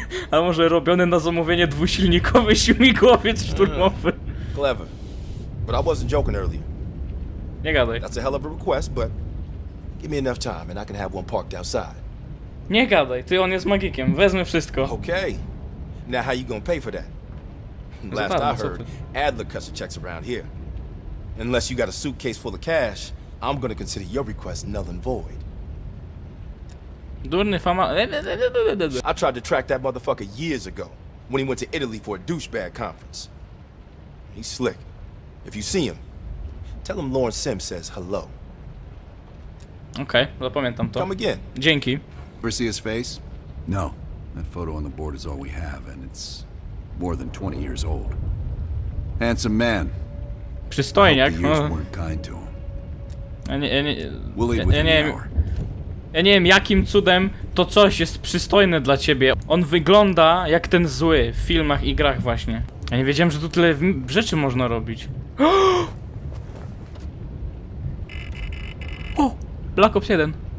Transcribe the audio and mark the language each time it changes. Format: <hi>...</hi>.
<pl>A może robiony na zamówienie dwusilnikowy śmigłowiec szturmowy.</pl> <en>Clever. But I wasn't joking earlier.</en> <pl>Nie gadaj.</pl> <en>That's a hell of a request, but give me enough time and I can have one parked outside.</en> <pl>Nie gadaj, ty on jest magikiem, wezmę wszystko.</pl> <en>Okay. Now how you gonna pay for that? Last I heard, Adler cuts the checks around here. Unless you got a suitcase full of cash, I'm gonna consider your request null and void.</en> <pl>Durny fama.</pl> <en>I tried to track that motherfucker years ago, when he went to Italy for a douchebag conference. He's slick. If you see him, tell him Lawrence Sims says hello.</en> <pl>Okay, zapamiętam to.</pl> <en>Come again.</en> <pl>Dzięki.</pl> <en>Ever see his face? No. That photo on the board is all we have, and it's more than 20 years old. Handsome man.</en> <pl>Przystojniak.</pl> <en>I hope the years weren't kind to him. We'll leave within an hour.</en> <pl>Ja nie wiem, jakim cudem to coś jest przystojne dla ciebie. On wygląda jak ten zły w filmach i grach właśnie. Ja nie wiedziałem, że tu tyle rzeczy można robić. O! Black Ops 1.</pl>